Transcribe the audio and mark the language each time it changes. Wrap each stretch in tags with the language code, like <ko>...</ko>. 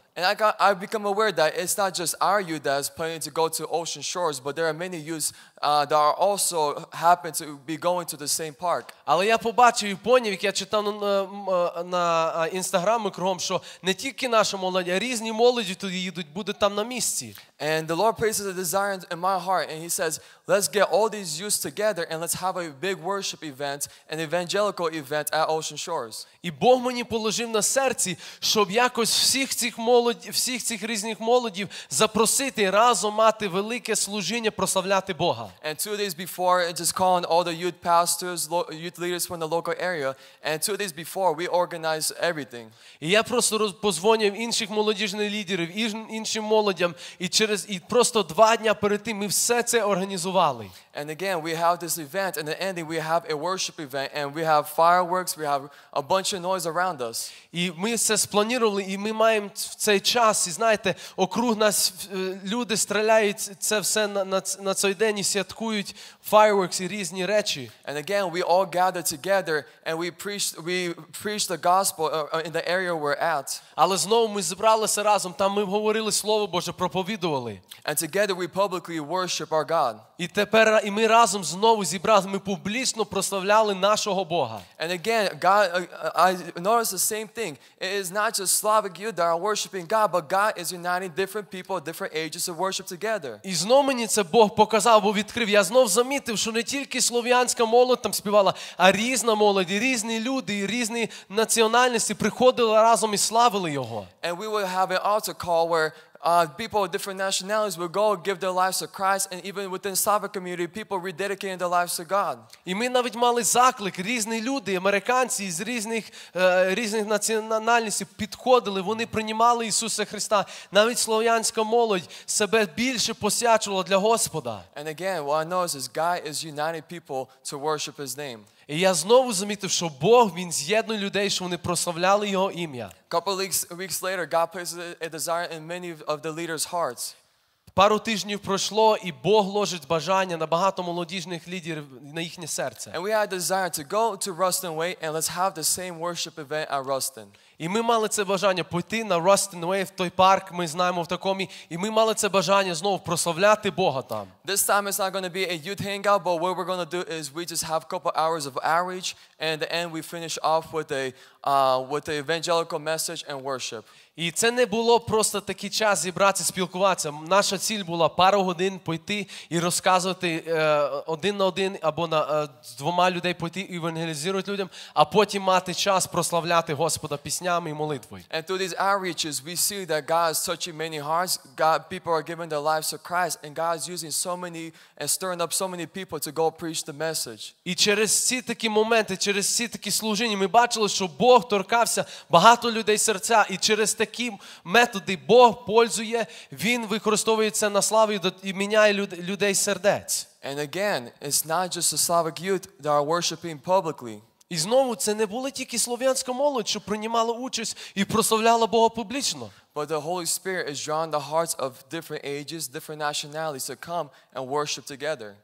<en>And I've become aware that it's not just our youth that's planning to go to ocean shores, but there are many youths that are also happen to be going to the same park.</en> <uk>Але я побачив і поняв, як я читав на Інстаграмі кругом, що не тільки наша молодь, а різні молоді туди їдуть, буде там на місці.</uk> <en>And the Lord places a desire in my heart, and he says, let's get all these youths together and let's have a big worship event, an evangelical event at Ocean Shores.</en> <uk>І Бог мені положив на серці, щоб якось всіх цих різних молодів запросити разом мати велике служіння, прославляти Бога.</uk> <en>And 2 days before, just calling all the youth pastors, youth leaders from the local area, and 2 days before, we organized everything.</en> <uk>І я просто позвонив інших молодіжних лідерів, іншим молодям, і просто 2 дні перед тим ми все це організували.</uk> <en>And again, we have this event, and in the ending, we have a worship event, and we have fireworks, we have a bunch of noise around us.</en> <uk>І ми це спланували, і ми маємо в цей час, і знаєте, округ нас, люди стріляють це все на цей день, і святкують fireworks і різні речі.</uk> <en>And again, we all gather together, and we preach the gospel in the area we're at.</en> <uk>Але знову ми зібралися разом, там ми говорили Слово Боже, проповідували.</uk> <en>And together, we publicly worship our God.</en> <uk>І тепер і ми разом знову зібрались, ми публічно прославляли нашого Бога.</uk> <en>And again, God, I noticed the same thing. It is not just Slavic youth that are worshiping God, but God is uniting different people, different ages to worship together.</en> <uk>І знову мені це Бог показав, бо відкрив. Я знову замітив, що не тільки слов'янська молодь там співала, а різна молодь, і різні люди, і різні національності приходили разом і славили Його.</uk> <en>And we will have an altar call where people of different nationalities will go give their lives to Christ, and even within the Slavic community, people rededicating their lives to God.</en> <uk>І ми навіть мали заклик, різні люди, американці з різних національностей підходили, вони приймали Ісуса Христа. Навіть слов'янська молодь себе більше посвячувала для Господа.</uk> <en>And again, what I noticed is God is uniting people to worship His name.</en> <uk>І я знову замітив, що Бог, Він з'єднує людей, що вони прославляли Його ім'я.</uk> <en>Couple weeks later, God places a desire in many of the leaders' hearts.</en> <uk>Пару тижнів пройшло, і Бог ложить бажання на багато молодіжних лідерів на їхнє серце.</uk> <en>And we had a desire to go to Ruston Way and let's have the same worship event at Ruston.</en> <uk>І ми мали це бажання пойти на Ruston Way, в той парк, ми знаємо в такому, і ми мали це бажання знову прославляти Бога там.</uk> <en>This time it's not going to be a youth hangout, but what we're going to do is we just have a couple hours of outreach, and at the end we finish off with the evangelical message and worship.</en> <uk>І це не було просто такий час зібратися, спілкуватися. Наша ціль була пару годин пойти і розказувати один на один або на з двома людей пойти і евангелізувати людям, а потім мати час прославляти Господа піснями і молитвою.</uk> <en>And through these outreaches, we see that God is touching many hearts. God, people are giving their lives to Christ, and God is using so many and stirring up so many people to go preach the message.</en> <uk>І через ці такі моменти, через ці такі служіння, ми бачили, що Бог торкався багато людей серця, і через такі методи Бог пользує, Він використовує це на славу і міняє людей сердець.</uk> <en>And again, it's not just the Slavic youth that are worshiping publicly.</en> <uk>І знову, це не були тільки слов'янська молодь, що приймала участь і прославляла Бога публічно.</uk> <en>But the Holy Spirit is drawing the hearts of different ages, different nationalities to come and worship together.</en>